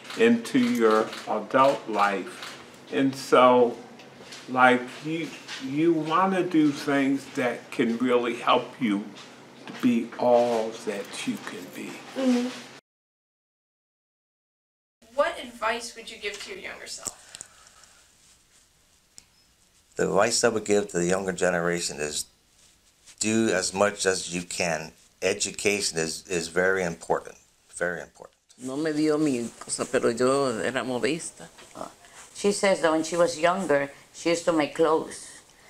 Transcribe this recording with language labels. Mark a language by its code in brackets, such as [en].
[en] into your adult life. And so, like, you want to do things that can really help you to be all that you can be. Mm-hmm. What advice would you give to your younger self? The advice I would give to the younger generation is do as much as you can. Education is very important, very important. [es] No me dio mi cosa, pero yo era modista. [en] She says that when she was younger, she used to make clothes.